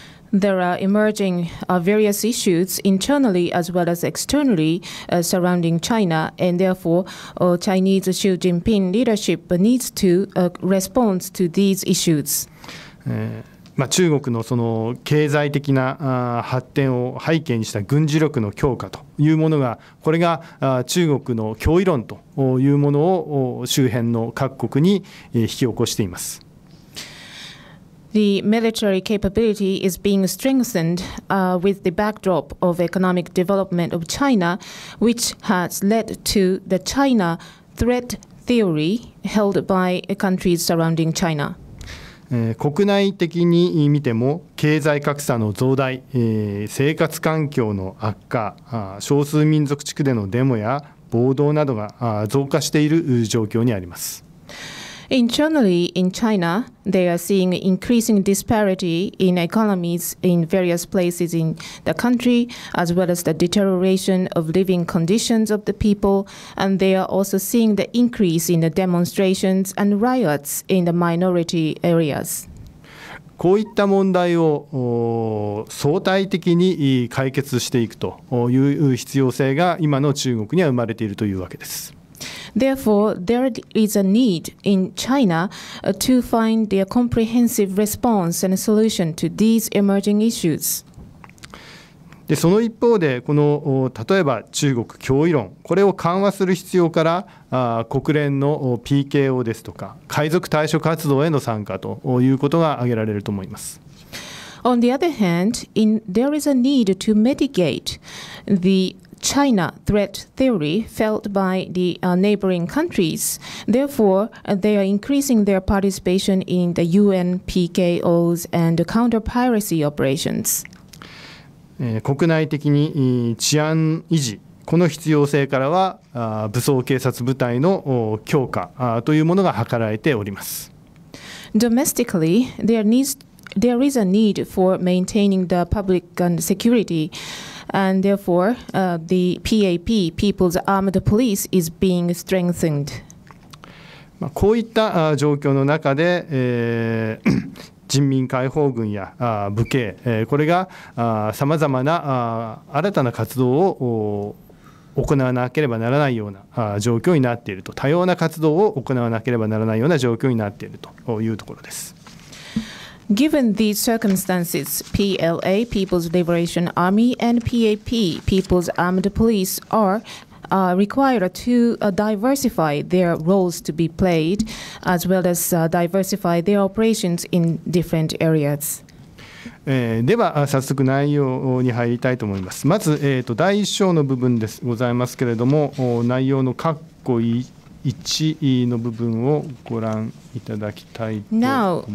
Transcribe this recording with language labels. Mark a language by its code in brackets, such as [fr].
[en] There are emerging various issues internally as well as externally surrounding China, and therefore Chinese Xi Jinping leadership needs to respond to these issues. [ja] まあ、中国のその経済的な発展を背景にした軍事力の強化というものが、これが中国の脅威論というものを周辺の各国に引き起こしています。 [en] The military capability is being strengthened with the backdrop of economic development of China, which has led to the China threat theory held by countries surrounding China. [ja] 国内的に見ても経済格差の増大、生活環境の悪化、少数民族地区でのデモや暴動などが増加している状況にあります。 [en] Internally in China, they are seeing increasing disparity in economies in various places in the country, as well as the deterioration of living conditions of the people, and they are also seeing the increase in the demonstrations and riots in the minority areas. [ja] こういった問題を相対的に解決していくという必要性が今の中国には生まれているというわけです。 [en] Therefore, there is a need in China to find a comprehensive response and a solution to these emerging issues. [ja] で、その一方で、この例えば中国脅威論、これを緩和する必要から、国連の PKO ですとか、海賊対処活動への参加ということが挙げられると思います。 [en] On the other hand, there is a need to mitigate theChina threat theory felt by the neighboring countries. Therefore, they are increasing their participation in the UN PKOs and counter-piracy operations. [ja] 国内的に治安維持、この必要性からは武装警察部隊の強化というものが図られております。 [en] Domestically, there is a need for maintaining the public and security. And therefore, the PAP, People's Armed Police, is being strengthened. [ja] こういった状況の中で、人民解放軍や武警、これがさまざまな新たな活動を行わなければならないような状況になっていると、多様な活動を行わなければならないような状況になっているというところです。 [en] Given these circumstances, PLA, People's Liberation Army, and PAP, People's Armed Police, are required to diversify their roles to be played, as well as diversify their operations in different areas. [ja] では早速内容に入りたいと思います。まず、第一章の部分です、ございますけれども、内容の括弧1の部分をご覧いただきたいと思います。